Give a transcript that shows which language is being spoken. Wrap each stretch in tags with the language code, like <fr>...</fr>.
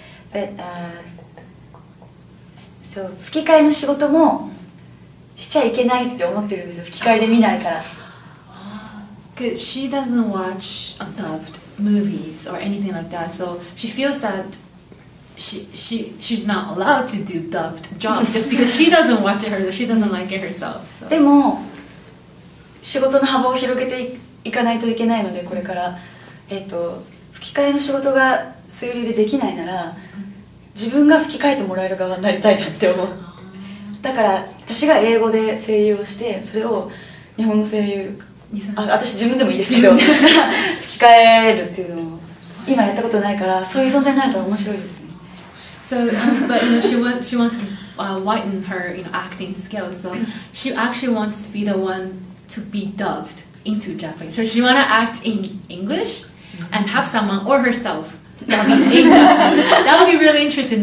<en>But, so,</en> <ja>吹き替えの仕事もしちゃいけないって思ってるんですよ。吹き替えで見ないから。</ja> <en>Good because she doesn't watch dubbed movies or anything like that, so she feels that she's not allowed to do dubbed jobs just because she doesn't watch it herself, she doesn't like it herself. So.</en> <ja>仕事の幅を広げていかないといけないので、これから、吹き替えの仕事がそういう理由でできないなら、自分が吹き替えてもらえる側になりたいなって思う。だから私が英語で声優をして、それを日本の声優、あ、私自分でもいいですけど、吹き替えるっていうのを今やったことないから、そういう存在になると面白いですね。</ja> <en>So, but you know, she wants to widen her, you know, acting skills. So she actually wants to be the one. To be dubbed into Japanese. So she want to act in English and have someone or herself dubbing in Japanese. That would be really interesting.</en>